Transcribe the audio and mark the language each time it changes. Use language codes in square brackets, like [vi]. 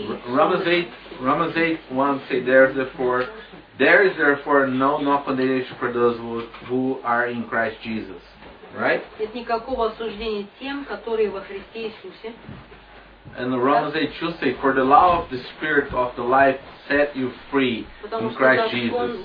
[en] Romans 8:1 say, There is therefore no condemnation for those who are in Christ Jesus. Right? [ru] Нет никакого осуждения тем, которые во Христе Иисусе. [en] And the Romans 8 should say, for the law of the spirit of the life set you free in Christ Jesus.